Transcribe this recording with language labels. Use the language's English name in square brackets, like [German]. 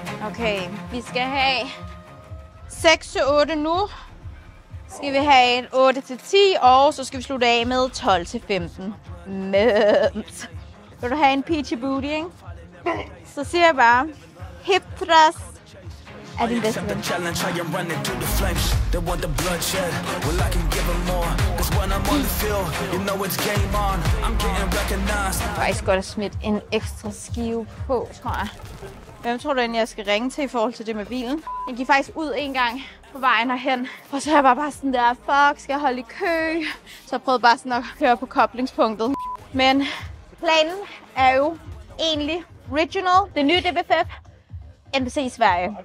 [Danish] Okay, vi skal have 6-8 nu. Skal vi have en 8-10, og så skal vi slutte af med 12-15. Mønt. Vil du have en peachy booty, ikke? Så siger jeg bare, hip thrust er din bedste ven. [English] Challenge, I'm running through the flames. They want the bloodshed. Well, I can give them more. Cause when I'm on the field, you know it's game on. I'm getting recognized. [Danish] Jeg skal godt have smidt en ekstra skive på, tror jeg. Hvem tror du, at jeg skal ringe til i forhold til det med bilen? Jeg gik faktisk ud en gang på vejen herhen. Og så er jeg bare sådan der, fuck, skal jeg holde i kø? Så jeg prøvede bare sådan at køre på koblingspunktet. Men planen er jo egentlig original, det nye DBFF, NBC i Sverige.